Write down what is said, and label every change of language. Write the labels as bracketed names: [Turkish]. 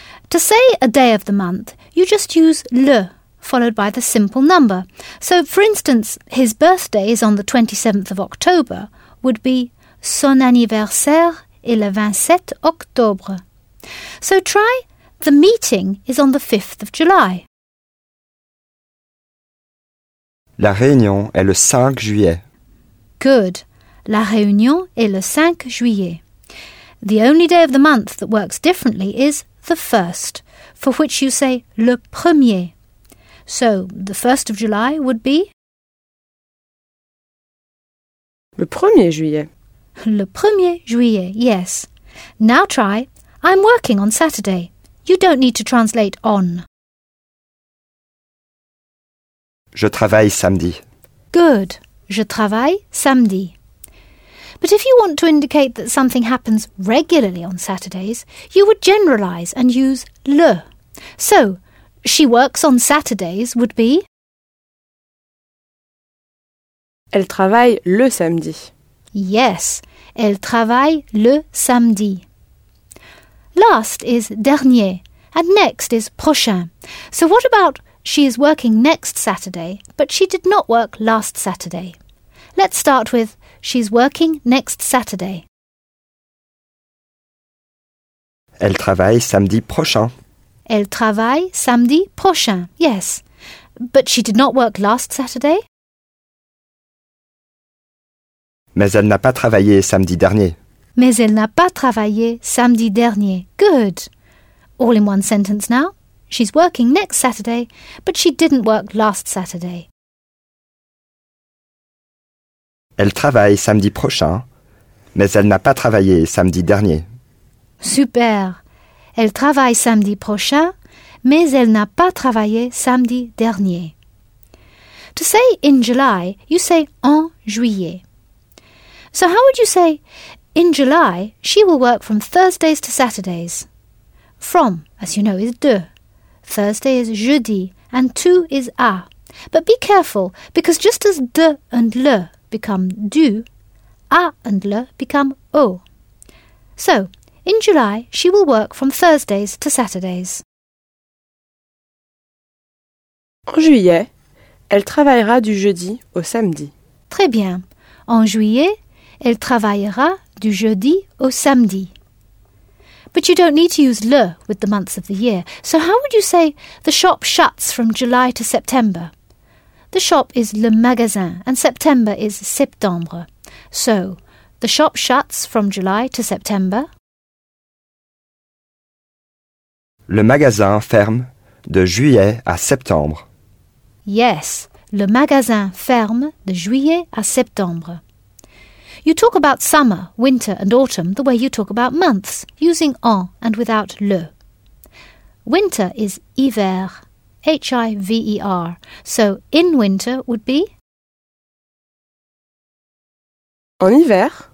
[English] To say a day of the month, you just use le, followed by the simple number. So, for instance, his birthday is on the 27th of October would be [French] son anniversaire est le 27 octobre. [English] So try the meeting is on the 5th of July. [French] La réunion est le 5 juillet. [English] Good. [French] La réunion est le 5 juillet. [English] The only day of the month that works differently is the 1st, for which you say [French] le premier. [English] So, the 1st of July would be? [French] Le 1er juillet. Le 1er juillet, [English] yes. Now try, I'm working on Saturday. You don't need to translate on. [French] Je travaille samedi. [English] Good. [French] Je travaille samedi. [English] But if you want to indicate that something happens regularly on Saturdays, you would generalize and use le. So, she works on Saturdays would be? [French] Elle travaille le samedi. [English] Yes, [French] elle travaille le samedi. [English] Last is dernier, and next is prochain. So what about she is working next Saturday, but she did not work last Saturday? Let's start with she's working next Saturday. [French] Elle travaille samedi prochain. Elle travaille samedi prochain, [English] yes. But she did not work last Saturday? [French] Mais elle n'a pas travaillé samedi dernier. Mais elle n'a pas travaillé samedi dernier. [English] Good. All in one sentence now. She's working next Saturday, but she didn't work last Saturday. [French] Elle travaille samedi prochain, mais elle n'a pas travaillé samedi dernier. Super. Elle travaille samedi prochain, mais elle n'a pas travaillé samedi dernier. [English] To say in July, you say [French] en juillet. [English] So how would you say, in July, she will work from Thursdays to Saturdays? From, as you know, is de. Thursday is jeudi, and to is à. But be careful, because just as de and le become du, à and le become au. So, in July, she will work from Thursdays to Saturdays. [French] En juillet, elle travaillera du jeudi au samedi. Très bien. En juillet, elle travaillera du jeudi au samedi. [English] But you don't need to use le with the months of the year. So how would you say the shop shuts from July to September? The shop is le magasin and September is septembre. So, the shop shuts from July to September. [French] Le magasin ferme de juillet à septembre. [English] Yes, [French] le magasin ferme de juillet à septembre. [English] You talk about summer, winter and autumn the way you talk about months, using en and without le. Winter is hiver, H-I-V-E-R. So in winter would be? [French] En hiver.